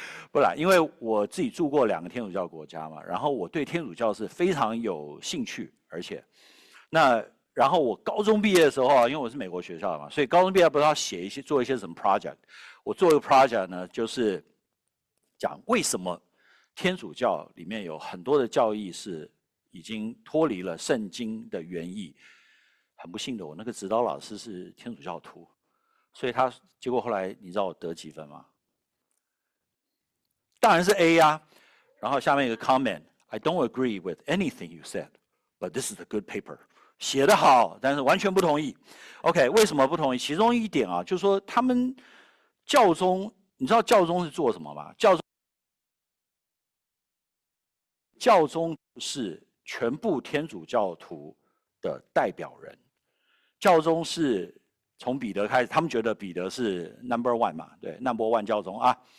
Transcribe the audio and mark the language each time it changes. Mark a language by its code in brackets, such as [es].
[zh] 不啦，因为我自己住过两个天主教国家嘛，然后我对天主教是非常有兴趣，而且，那然后我高中毕业的时候啊，因为我是美国学校的嘛，所以高中毕业不是要写一些做一些什么 project，我做一个 project 呢，就是讲为什么天主教里面有很多的教义是已经脱离了圣经的原意。很不幸的，我那个指导老师是天主教徒，所以他结果后来你知道我得几分吗？当然是 A 呀，然后下面一个 comment， [en] I don't agree with anything you said，but this is a good paper， [zh] 写得好，但是完全不同意。 OK，为什么不同意？其中一点啊，就是说他们教宗，你知道教宗是做什么吗？教宗是全部天主教徒的代表人，教宗是从彼得开始，他们觉得彼得是 [en] number one [zh] 嘛，对，number one 教宗啊。